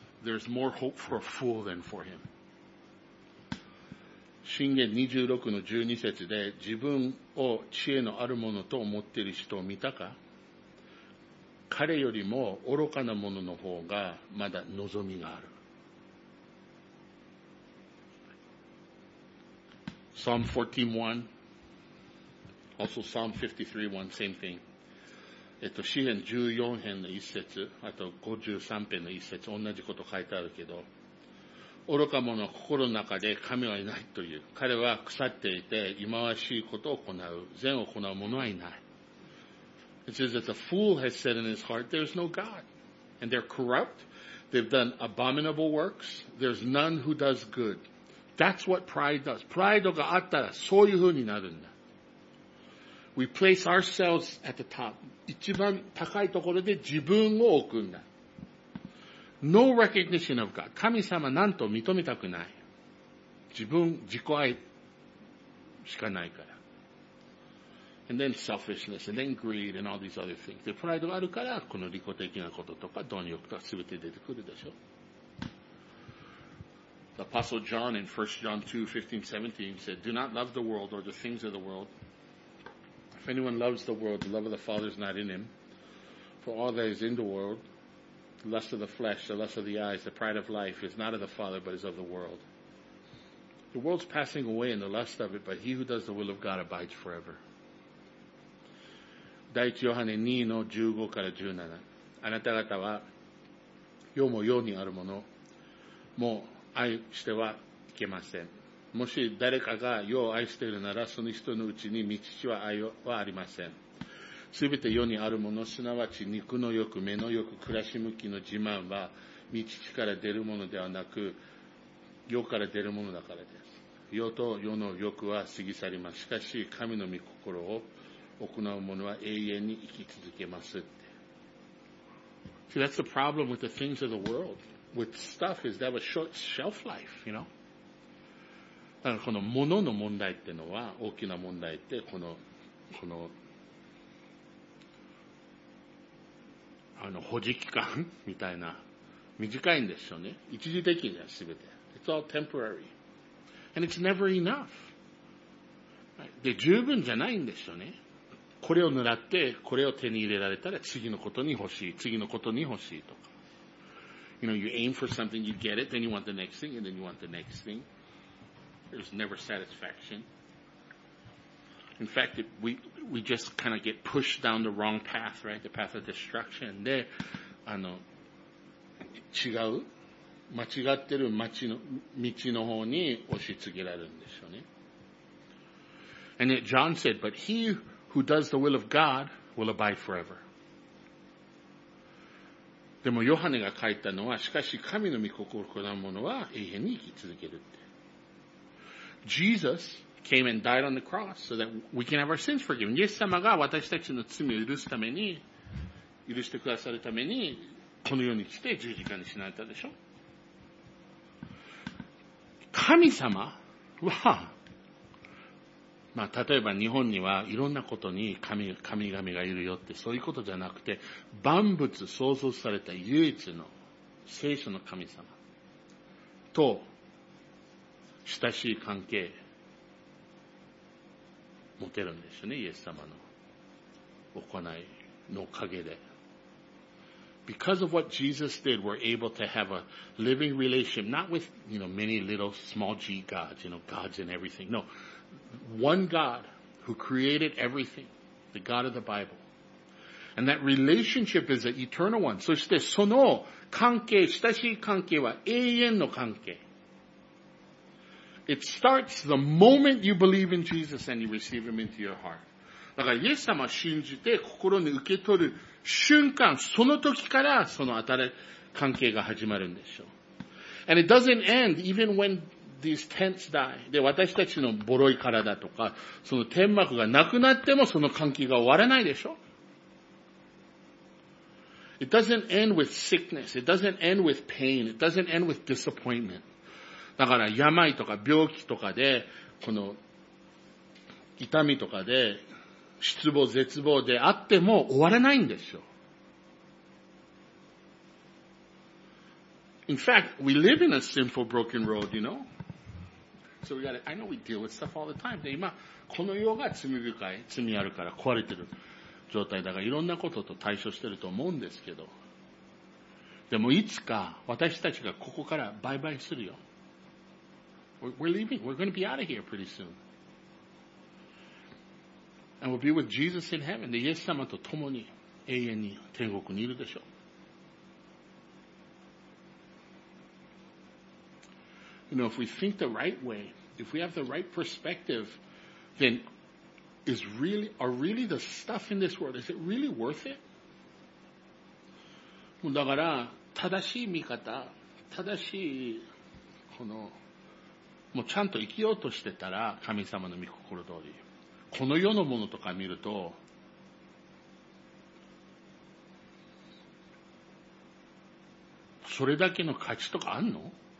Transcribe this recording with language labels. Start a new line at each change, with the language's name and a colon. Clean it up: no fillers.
English: There's more hope for a fool than for him.
Japanese: 箴言26:12節で、自分を知恵のあるものと思っている人を見たか？彼よりも愚かな者の方がまだ望みがある。
English: Psalm 14:1, also Psalm 53:1, same thing.
Japanese: 詩編14編の一節、あと53編の一節、同じこと書いてあるけど、愚か者は心の中で神はいないという。彼は腐っていて、忌まわしいことを行う。善を行う者はいない。
English: It says that the fool has said in his heart, there's no God. And they're corrupt. They've done abominable works. There's none who does good. That's what pride does.
Japanese: Pride があったらそういう風になるんだ。
English: We place ourselves at the top.
Japanese: 一番高いところで自分を置くんだ。
English: No recognition of God.
Japanese: 神様なんと認めたくない。自分、自己愛しかないから。
English: And then selfishness, and then greed, and all these other things.
Japanese: Pride があるから、この利己的なこととか、貪欲とか全て出てくるでしょ。
English: The Apostle John in 1 John 2, 15-17 said, Do not love the world or the things of the world. If anyone loves the world, the love of the Father is not in him. For all that is in the world, the lust of the flesh, the lust of the eyes, the pride of life, is not of the Father, but is of the world. The world's passing away in the lust of it, but he who does the will of God abides forever.
Japanese: 第1ヨハネ 2-15-17 あなた方は、世も世にあるもの、もう、愛してはいけません。もし誰かが世を愛しているなら、その人のうちに道は愛はありません。すべて世にあるもの、すなわち肉の欲、目の欲、暮らし向きの自慢は、道から出るものではなく、世から出るものだからです。世と世の欲は過ぎ去ります。しかし、神の御心を行う者は永遠に生き続けます。
English: See, that's the problem with the things of the world. With stuff is they have a short shelf life, you know?
Japanese: だからこの物の問題ってのは大きな問題ってこの、保持期間みたいな短いんですよね。一時的じゃん、すべて。
English: It's all temporary. And it's never enough.
Japanese: で、十分じゃないんですよね。これを狙って、これを手に入れられたら次のことに欲しい、次のことに欲しいとか。
English: You know, you aim for something, you get it, then you want the next thing, and then you want the next thing. There's never satisfaction. In fact, we just kind of get pushed down the wrong path, right? The path of destruction.
Japanese: で、違う、間違ってる道の方に押し付けられるんですよね。
English: And yet John said, but he who does the will of God will abide forever.
Japanese: でもヨハネが書いたのは、しかし神の御心を行うものは永遠に生き続けるって。
English: Jesus came and died on the cross so that we can have our sins forgiven.
Japanese: イエス様が私たちの罪を許してくださるために、この世に来て十字架に死なれたでしょ。神様は、まあ、例えば日本にはいろんなことに神々がいるよってそういうことじゃなくて万物創造された唯一の聖書の神様と親しい関係持てるんですよねイエス様の行いのおかげで
English: Because of what Jesus did we're able to have a living relationship not with you know, many little small g gods you know, gods and everything noOne God who created everything, the God of the Bible. And that relationship is an eternal one.
Japanese: そしてその関係、親しい関係は永遠の関係。
English: It starts the moment you believe in Jesus and you receive him into your heart.
Japanese: だからイエス様を信じて心に受け取る瞬間、その時からその新しい関係が始まるんでしょう。
English: And it doesn't end even when these tents die.
Japanese: で、私たちのボロい体とか、その天幕がなくなってもその換気が終わらないでしょ。
English: It doesn't end with sickness. It doesn't end with pain. It doesn't end with disappointment.
Japanese: だから病とか病気とかで、この痛みとかで、失望、絶望であっても終わらないんですよ。
English: In fact, we live in a sinful, broken world, you know? So we gotta, I know we deal with stuff all the time.
Japanese: で、今、この世が罪深い、罪あるから壊れてる状態だから、いろんなことと対処してると思うんですけど。でも、いつか私たちがここからバイバイするよ。
English: We're leaving. We're gonna be out of here pretty soon. And we'll be with Jesus in heaven.
Japanese: で、イエス様と共に永遠に天国にいるでしょ。
English: You know, if we think the right way, if we have the right perspective, then are really the stuff in this world, is it really worth it?
Japanese: だから、正しい見方、正しい、この、もうちゃんと生きようとしてたら、神様の御心通り。この世のものとか見ると、それだけの価値とかあんの？